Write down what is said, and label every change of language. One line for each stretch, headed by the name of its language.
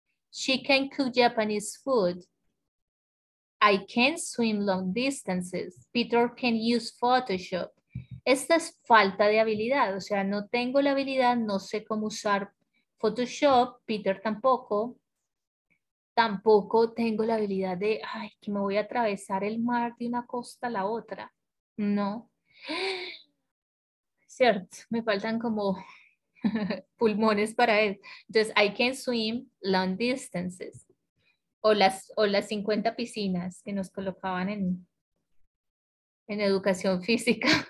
English: She can cook Japanese food. I can swim long distances. Peter can use Photoshop.
Spanish: Esta es falta de habilidad, o sea, no tengo la habilidad, no sé cómo usar Photoshop, Peter tampoco. Tampoco tengo la habilidad de, ay, que me voy a atravesar el mar de una costa a la otra. No. Cierto, me faltan como pulmones para él. Entonces,
English: I can swim long distances.
Spanish: O las 50 piscinas que nos colocaban en educación física.